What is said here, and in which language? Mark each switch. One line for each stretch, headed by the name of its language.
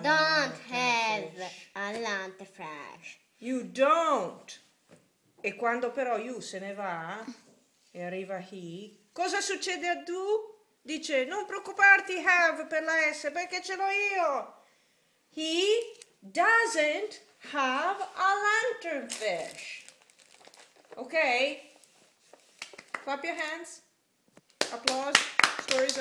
English: don't have a lantern fish. You don't.
Italian: E quando però you se ne va e arriva he, cosa succede a do? Dice: non preoccuparti, have, per la S, perché ce l'ho io.
English: He doesn't have a lantern fish. Ok? Clap your hands. Applause. Story's over.